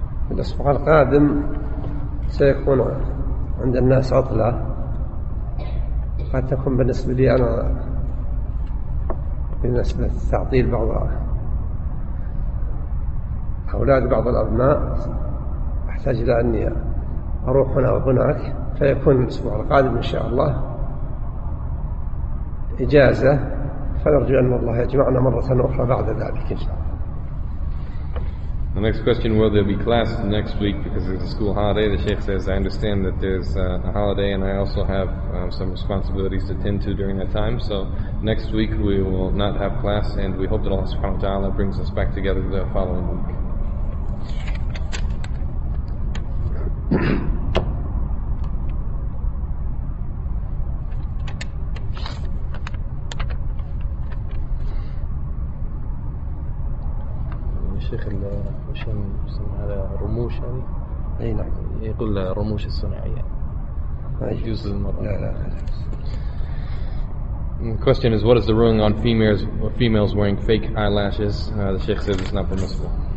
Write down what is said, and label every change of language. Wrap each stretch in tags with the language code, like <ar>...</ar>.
<ar>الأسبوع القادم سيكون عند الناس عطلة، قد تكون بالنسبة لي أنا بالنسبة لتعطيل بعض أولاد بعض الأبناء، أحتاج إلى أني أروح هنا وهناك، فيكون الأسبوع القادم إن شاء الله إجازة. فنرجو أن الله يجمعنا مرة أخرى بعد ذلك إن شاء الله.</ar> <en>The next question, will there be class next week because it's a school holiday? The Sheikh says, I understand that there's a holiday and I also have some responsibilities to attend to during that time. So next week we will not have class and we hope that Allah subhanahu wa ta'ala brings us back together the following week.</en> <ar>الشيخ عشان اسمه هذا رموش هذه اي نعم يقول له رموش الصناعيه يجوز للمرأة لا</ar> <en>The question is, what is the ruling on females wearing fake eyelashes? The Sheikh says it's not permissible.</en>